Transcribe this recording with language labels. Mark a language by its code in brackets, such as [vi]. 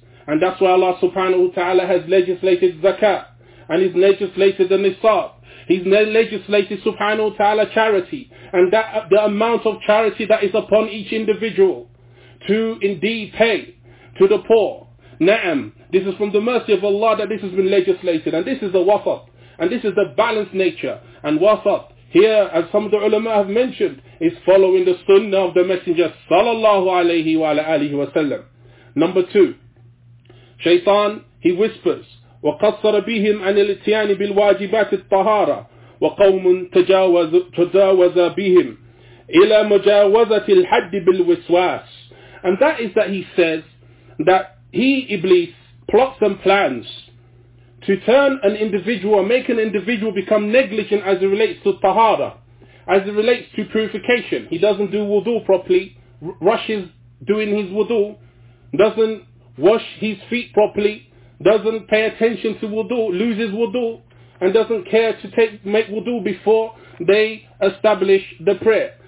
[en] And that's why Allah subhanahu wa ta'ala has legislated zakat, and he's legislated the nisab, he's legislated subhanahu wa ta'ala charity, and that the amount of charity that is upon each individual to indeed pay to the poor. Na'am, this is from the mercy of Allah that this has been legislated, and this is the wasat, and this is the balanced nature. And wasat here, as some of the ulama have mentioned, is following the sunnah of the messenger sallallahu alayhi wa alayhi wa sallam. Number two, shaitan, he whispers, [ar] وَقَصَّرَ بِهِمْ عَنِ الْإِتْيَانِ بِالْوَاجِبَاتِ الطَّهَارَةِ وَقَوْمٌ تَجَاوَزَ بِهِمْ إِلَى مُجَاوَزَةِ الْحَدِّ بِالْوِسْوَاسِ. [en] And that is that he says that he, Iblis, plots and plans to turn an individual, make an individual become negligent as it relates to tahara, as it relates to purification. He doesn't do wudu properly, rushes doing his wudu, doesn't wash his feet properly, doesn't pay attention to wudu, loses wudu, and doesn't care to make wudu before they establish the prayer.